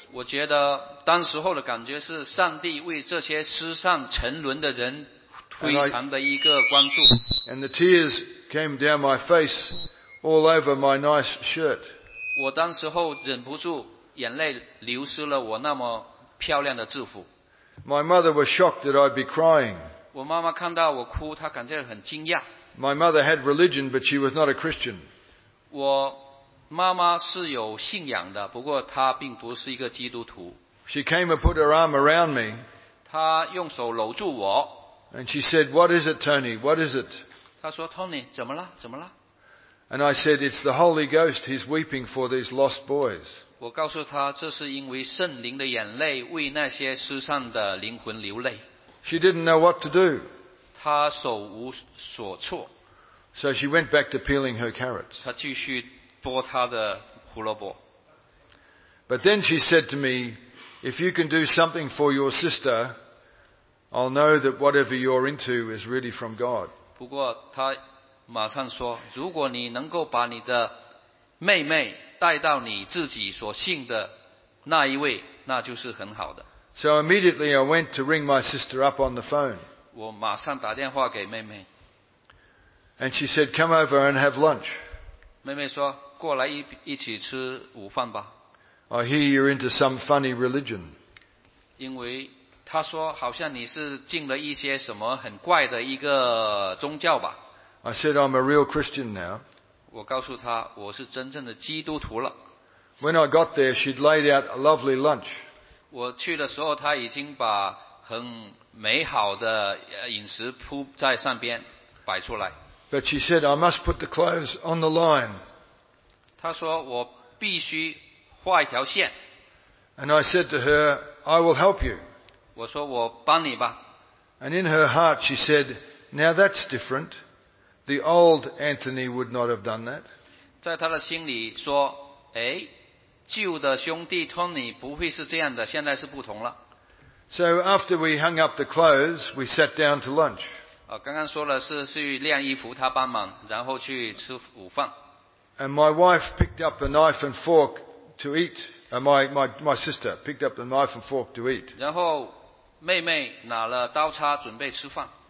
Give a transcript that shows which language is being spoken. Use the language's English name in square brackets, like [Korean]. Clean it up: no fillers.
[Chinese] 我觉得当时候的感觉是上帝为这些失散沉沦的人非常的一个关注。 [English] And the tears came down my face all over my nice shirt. [Chinese] 我当时候忍不住眼泪流失了我那么漂亮的制服。 [English] My mother was shocked that I'd be crying. [Chinese] 我妈妈看到我哭，她感觉很惊讶。 [English] My mother had religion, but she was not a Christian. [Chinese] 我妈妈是有信仰的，不过她并不是一个基督徒。 [English] She came and put her arm around me. [Chinese] 她用手搂住我。 [English] And she said, "What is it, Tony? What is it?" [Chinese] 她说 ，Tony， 怎么了？怎么了 [English] ？And I said, "It's the Holy Ghost. He's weeping for these lost boys." [Chinese] 我告诉她，这是因为圣灵的眼泪为那些失散的灵魂流泪。 [English] She didn't know what to do. [Chinese] 她手无所措。 [English] So she went back to peeling her carrots. [Chinese] 她继续剥她的胡萝卜。 [English] But then she said to me, "If you can do something for your sister, I'll know that whatever you're into is really from God." [Chinese] 不过她马上说，如果你能够把你的妹妹带到你自己所信的那一位，那就是很好的。 [English] So immediately I went to ring my sister up on the phone. [Chinese] 我马上打电话给妹妹。 [English] And she said, come over and have lunch. [Chinese] 妹妹说，过来 一起吃午饭吧。 [English] I hear you're into some funny religion. [Chinese] 因为她说好像你是进了一些什么很怪的一个宗教吧。 [English] I said, I'm a real Christian now. [Chinese] 我告诉她我是真正的基督徒了。 [English] When I got there, she'd laid out a lovely lunch. [Chinese] 我去的时候，她已经把很美好的饮食铺在上边摆出来。 [English] But she said, I must put the clothes on the line. [Chinese] 她说我必须画一条线。 [English] And I said to her, I will help you. [Chinese] 我说我帮你吧。 [English] And in her heart, she said, now that's different. The old Anthony would not have done that. [Chinese] 在她的心里说，哎，旧的兄弟托尼不会是这样的，现在是不同了。 [English] So after we hung up the clothes, we sat down to lunch. [Chinese] 刚刚说了是去晾衣服，他帮忙，然后去吃午饭。 [English] And my wife picked up a knife and fork to eat. My sister picked up the knife and fork to eat. [Chinese] 然后妹妹拿了刀叉准备吃饭。